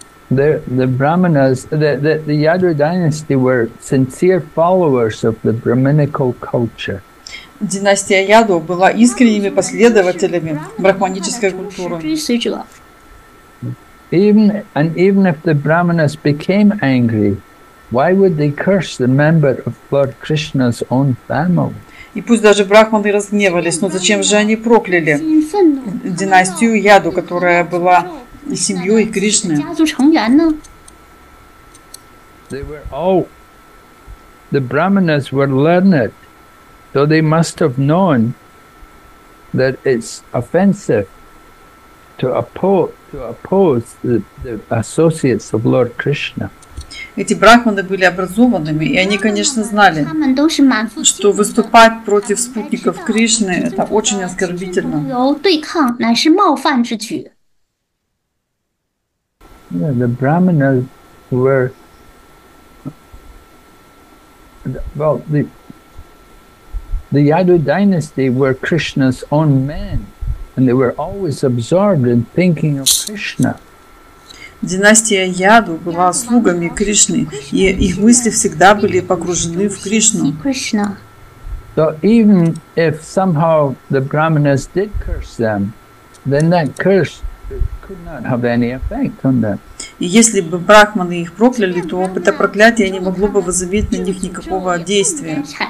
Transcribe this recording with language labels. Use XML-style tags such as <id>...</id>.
<en>The Brahmanas, the Yadu dynasty were sincere followers of the Brahminical culture.</en> <ru>Династия Яду была искренними последователями брахманической культуры.</ru> <en>Even if the Brahmanas became angry, why would they curse the member of Lord Krishna's own family?</en> <ru>И пусть даже брахманы разгневались, но зачем же они прокляли династию Яду, которая была семьей Кришны?</ru> <en>They were all, the Brahmanas were learned, so they must have known that it's offensive to oppose the associates of Lord Krishna.</en> <ru>Эти брахманы были образованными, и они, конечно, знали, что выступать против спутников Кришны – это очень оскорбительно.</ru> <en>The brahmanas were, well, the Yadu dynasty were Krishna's own men, and they were always absorbed in thinking of Krishna.</en> <ru>Династия Яду была слугами Кришны, и их мысли всегда были погружены в Кришну.</ru> <en>So even if somehow the Brahmanas did curse them, then that curse could not have any effect on them.</en> <ru>И если бы брахманы их прокляли, то это проклятие не могло бы возобновить на них никакого действия.</ru>